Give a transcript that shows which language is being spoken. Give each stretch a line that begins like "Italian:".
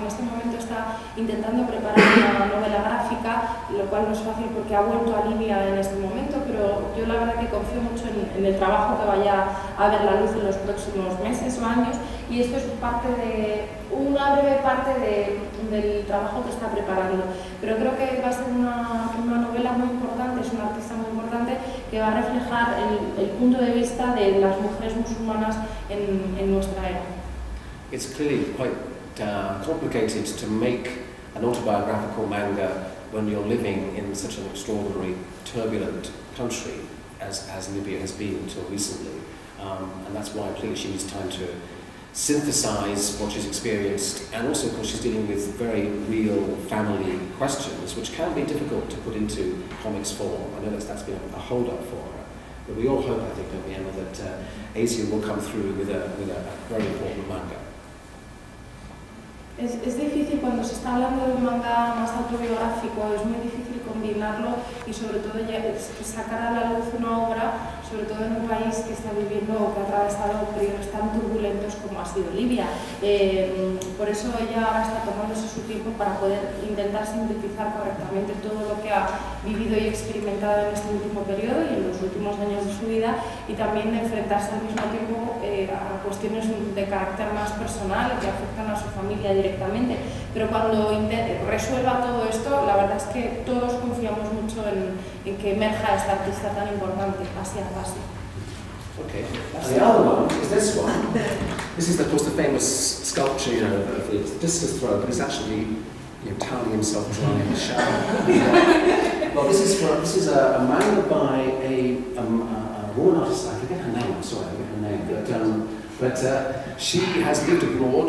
Spanish: En este momento está intentando preparar una novela gráfica, lo cual no es fácil porque ha vuelto a Libia en este momento, pero yo la verdad que confío mucho en el trabajo que vaya a ver la luz en los próximos meses o años, y esto es parte de una breve parte del trabajo que está preparando. Pero creo que va a ser una novela muy importante, es una artista muy importante, que va a reflejar el punto de vista de las mujeres musulmanas en nuestra era.
English: It's clearly quite complicated to make an autobiographical manga when you're living in such an extraordinary, turbulent country as Libya has been until recently. And that's why clearly she needs time to synthesize what she's experienced, and also of course she's dealing with very real family questions, which can be difficult to put into comics form. I know that's been a hold up for her, but we all hope, I think, at the end of that Asia will come through with a very important manga.
Spanish: Es difícil cuando se está hablando de un manga más autobiográfico, es muy difícil combinarlo y sobre todo sacar a la luz una obra, sobre todo en un país que está viviendo o que ha atravesado periodos tan turbulentos como ha sido Libia. Por eso ella ahora está tomándose su tiempo para poder intentar sintetizar correctamente todo lo que ha vivido y experimentado en este último periodo y en los últimos años de su vida, y también enfrentarse al mismo tiempo a cuestiones de carácter más personal que afectan a su familia directamente. Pero cuando resuelva todo esto, la verdad es que todos confiamos mucho en que emerja esta artista tan importante, así a paso.
English: Okay. The other one is this one. This is, of course, the famous sculpture, you know, of the discus throw, but it's actually, you know, tallying himself drying in the shower. Well, this is a manga by a woman artist. I forget her name. She has lived abroad.